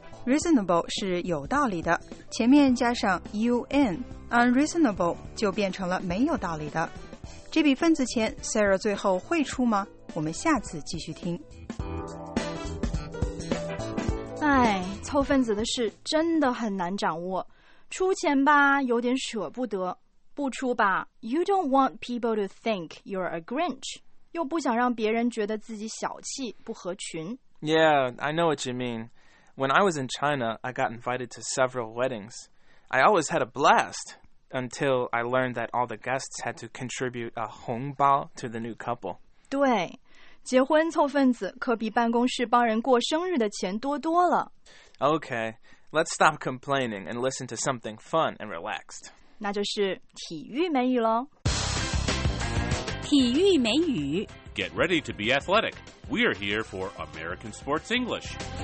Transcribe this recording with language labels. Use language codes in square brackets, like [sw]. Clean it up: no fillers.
[zh] Reasonable 是有道理的，前面加上 U-N, unreasonable 就变成了没有道理的。这笔份子钱 ,Sarah 最后会出吗？我们下次继续听。哎，凑份子的事真的很难掌握。出钱吧，有点舍不得。不出吧 [en] ,You don't want people to think you're a Grinch. [zh] 又不想让别人觉得自己小气，不合群。 [en] Yeah, I know what you mean. When I was in China, I got invited to several weddings. I always had a blast. Until I learned that all the guests had to contribute a 红包 to the new couple. [zh] 对，结婚凑份子可比办公室帮人过生日的钱多多了。 [en] Okay, let's stop complaining and listen to something fun and relaxed. [zh] 那就是体育美语咯。体育美语。 [en] Get ready to be athletic. We are here for American Sports English.